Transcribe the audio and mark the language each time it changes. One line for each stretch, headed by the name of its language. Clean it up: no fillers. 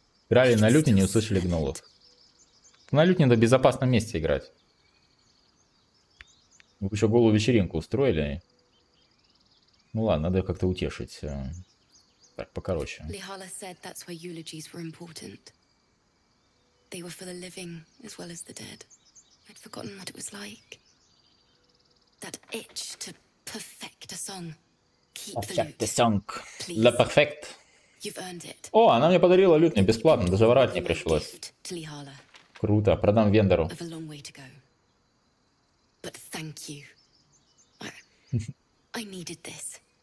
Russian: Играли на лютне, не услышали гнолов. На лютне надо в безопасном месте играть. Вы еще голую вечеринку устроили? Ну ладно, надо ее как-то утешить. Так, покороче.
English: Лихала said that's why eulogies were important. They were for the living as well as the dead. I'd forgotten what it was like. That itch to perfect a song. Keep the lute. The song. Le perfect. You've earned it.
Russian: О, она мне подарила лютню бесплатно, даже ворать не пришлось. Круто, продам вендору.
English: I've a long way to go. But thank you. I needed this.